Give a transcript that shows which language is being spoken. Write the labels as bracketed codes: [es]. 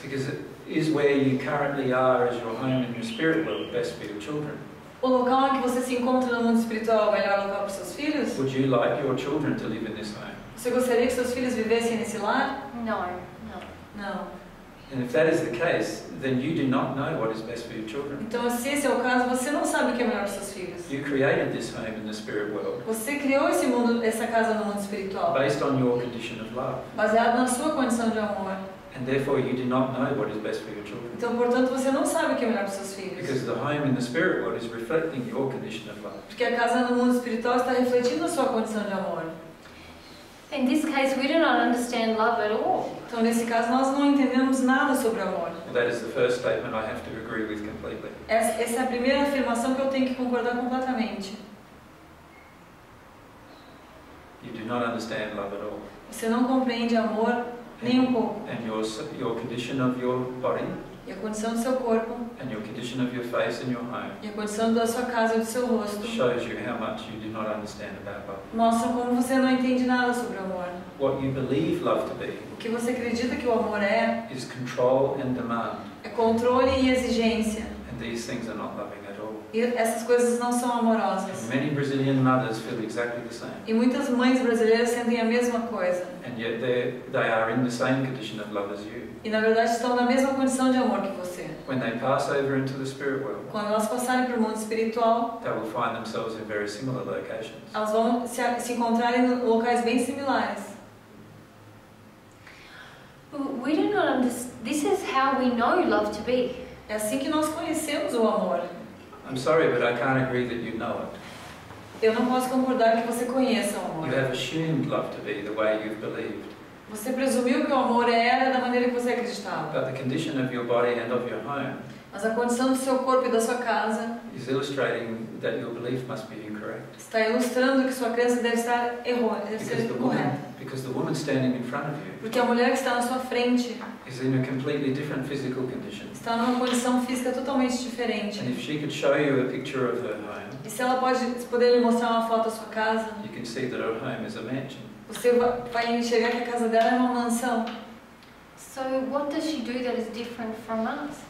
[en] Because it is where you currently are as your home and your spirit world best for your children. [pt] O local em que você se encontra no mundo espiritual é o melhor local para os seus filhos? [en] Would you like your children to live in this home? [pt] Você gostaria que seus filhos vivessem nesse lar? [en] No. No. And if that is the case, then you do not know what is best for your children. [pt] Então, se esse é o caso, você não sabe o que é melhor para seus filhos. [en] You created this home in the spirit world. [pt] Você criou esse mundo, essa casa no mundo espiritual. [en] Based on your condition of love. [pt] Baseado na sua condição de amor. [en] And therefore, you do not know what is best for your children. [pt] Então, portanto, você não sabe o que é melhor para seus filhos. [en] Because the home in the spirit world is reflecting your condition of love. [pt] Porque a casa no mundo espiritual está refletindo a sua condição de amor. [en] In this case, we do not understand love at all. [pt] Então, nesse caso, nós não entendemos nada sobre amor. [en] Well, that is the first statement I have to agree with completely. [pt] Essa é a primeira afirmação que eu tenho que concordar completamente. [en] You do not understand love at all. [pt] Você não compreende amor. [en] And your condition of your body, [pt] e a condição do seu corpo, [en] and your condition of your face and your home, [pt] e a condição da sua casa e do seu rosto, [en] shows you how much you do not understand about love. [pt] Mostra como você não entende nada sobre amor. [en] What you believe love to be, [pt] o que você acredita que o amor é, [en] is control and demand. [pt] É controle e exigência. [en] And these things are not loving at all. [pt] E essas coisas não são amorosas. [en] And many Brazilian mothers feel exactly the same. [pt] E muitas mães brasileiras sentem a mesma coisa. [en] And yet they are in the same condition of love as you. [pt] E na verdade estão na mesma condição de amor que você. [en] When they pass over into the spirit world, [pt] quando elas passarem para o mundo espiritual, [en] they will find themselves in very similar locations. [pt] Elas vão se encontrar em locais bem similares. [en] We do not understand. This is how we know love to be. [pt] É assim que nós conhecemos o amor. [en] I'm sorry, but I can't agree that you know it. [pt] Eu não posso concordar que você conheça o amor. [en] You have assumed love to be the way you've believed. [pt] Você presumiu que o amor era da maneira que você acreditava. [en] But the condition of your body and of your home, [pt] mas a condição do seu corpo e da sua casa, [en] is illustrating that your belief must be incorrect. [pt] Está ilustrando que sua crença deve estar errônea, deve [en] because [pt] ser incorreta. [en] Because the woman standing in front of you, [pt] porque a mulher que está na sua frente, [en] is in a completely different physical condition. [pt] Está numa condição física totalmente diferente. [en] And if she could show you a picture of her home, [pt] e se ela poder lhe mostrar uma foto da sua casa, [en] you can see that her home is a mansion. [pt] Você vai enxergar que a casa dela é uma mansão. [en] So what does she do that is different from us?